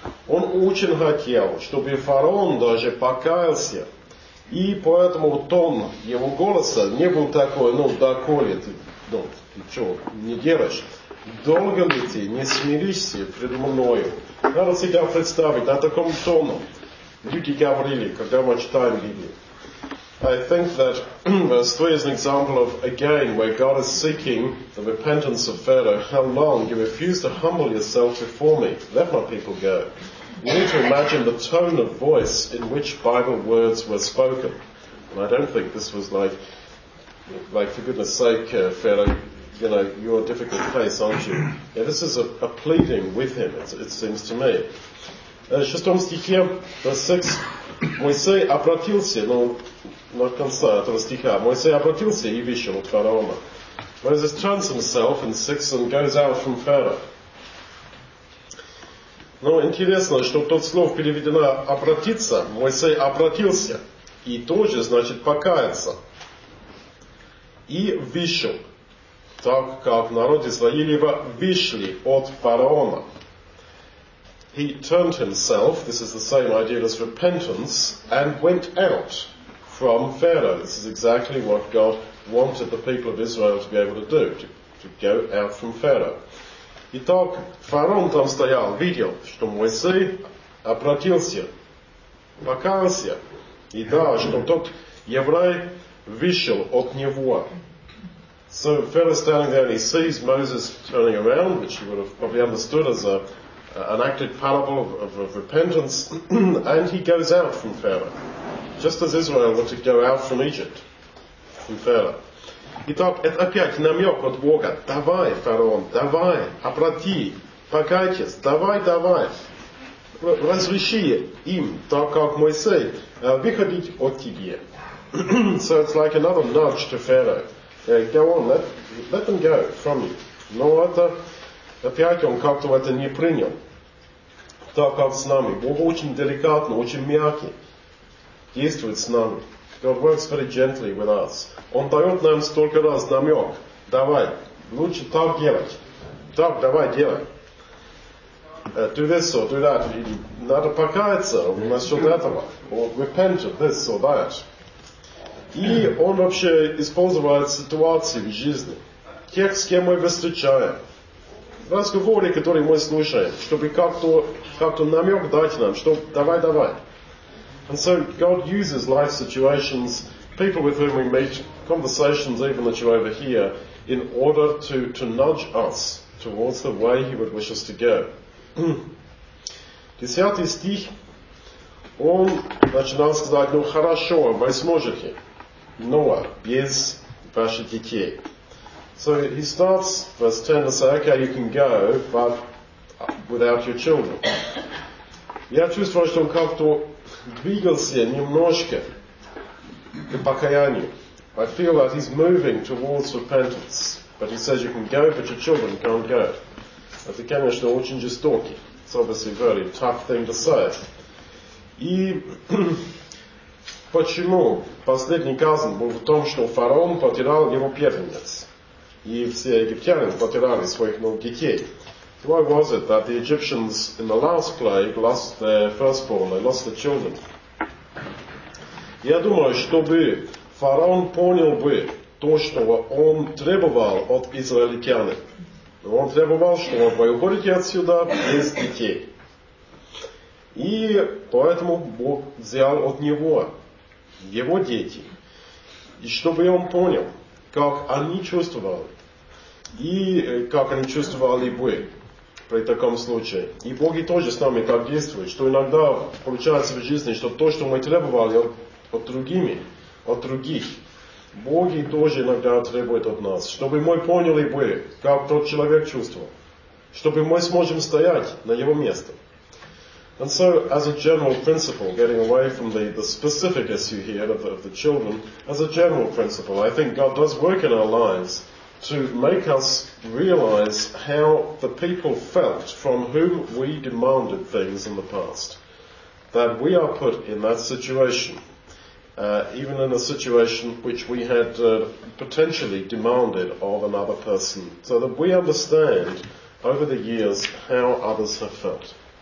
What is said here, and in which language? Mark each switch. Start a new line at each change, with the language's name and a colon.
Russian: Он очень хотел, чтобы фараон даже покаялся, и поэтому тон его голоса не был такой, ну, доколе ты, ну, ты что, не делаешь? Долго ли ты не смиришься предо мною? Надо себя представить на таком тоне. Люди говорили, когда мы читаем Библию.
English: I think that verse 3 is an example of, again, where God is seeking the repentance of Pharaoh. How long you refuse to humble yourself before me? Let my people go. You need to imagine the tone of voice in which Bible words were spoken. And I don't think this was like for goodness sake, Pharaoh, you know, you're a difficult place, aren't you? Yeah, this is a pleading with him, it seems to me.
Russian: В шестом стихе,
English: verse 6,
Russian: Моисей обратился, ну, на конца этого стиха, Моисей обратился и вышел от фараона.
English: Moses turns himself in 6 and goes out from Pharaoh.
Russian: Ну, интересно, что тут слово переведено «обратиться», Моисей обратился, и тоже, значит, покаяться. И вышел, так как в народе Израилева вышли от фараона.
English: He turned himself, this is the same idea as repentance, and went out from Pharaoh. This is exactly what God wanted the people of Israel to be able to do, to go out from Pharaoh.
Russian: Итак, фараон там стоял, видел, что Моисей обратился, покаялся, и да, что тот еврей вышел от него.
English: So Pharaoh standing there, and he sees Moses turning around, which he would have probably understood as a an acted parable of repentance, and he goes out from Pharaoh, just as Israel were to go out from Egypt, from Pharaoh.
Russian: Итак, это опять намек от Бога. Давай, фараон, давай, обрати, покайтесь, давай, давай. Разреши им, так как Моисей, выходить от тебя.
English: So it's like another nudge to Pharaoh. Go on, let them go from you.
Russian: Но это опять он как-то это не принял. Так как с нами. Бог очень деликатно, очень мягко действует с нами.
English: God works very gently with us.
Russian: Он дает нам столько раз намек. Давай, лучше так делать. Так, давай, делай.
English: Do this or do that.
Russian: Надо покаяться насчет этого.
English: Or repent of this or that.
Russian: И он вообще использует ситуации в жизни. Тех, с кем мы встречаем. Разговоры, которые мы слушаем, чтобы как-то намек дать нам, что давай, давай.
English: And so God uses life situations, people with whom we meet, conversations even that you overhear, in order to nudge us towards the way He would wish us to go.
Russian: Десятый стих, он начинал сказать, ну хорошо, вы сможете, но без ваших детей.
English: So he starts, verse 10, to say, okay, you can go, but without your children.
Russian: Я чувствую, что он как-то двигался немножко к покаянию.
English: I feel that he's moving towards repentance. But he says, you can go, but your children can't go.
Russian: Это, конечно, очень жестокий.
English: It's obviously a very tough thing to say.
Russian: И почему последний казнь был в том, что фараон потерял его первенец? И все египтяне потеряли своих новых детей.
English: Why was it that the Egyptians in the last plague lost their firstborn, they lost their children?
Russian: Я думаю, чтобы фараон понял бы то, что он требовал от израильтян. Он требовал, чтобы вы уходите отсюда без детей. И поэтому Бог взял от него его дети. И чтобы он понял, как они чувствовали. И как они чувствовали бы при таком случае. И Бог и тоже с нами так действует, что иногда получается в жизни, что то, что мы требовали от других, Бог и тоже иногда требует от нас, чтобы мы поняли бы, как тот человек чувствовал, чтобы мы сможем стоять на его месте.
English: And so, as a general principle, getting away from the specific issue here of the children, as a general principle, I think God does work in our lives to make us realize how the people felt from whom we demanded things in the past, that we are put in that situation, even in a situation which we had potentially demanded of another person, so that we understand over the years how others have felt.